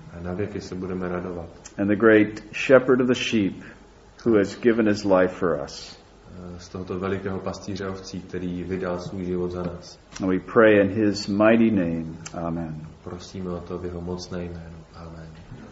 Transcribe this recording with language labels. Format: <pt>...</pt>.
<cs>A navěky se budeme radovat.</cs> <en>And the great shepherd of the sheep who has given his life for us.</en> <cs>Z tohoto velikého pastýře ovcí, který vydal svůj život za nás.</cs> <en>And we pray in his mighty name. Amen.</en> <cs>Prosíme o to v jeho mocné jméno. Amen.</cs>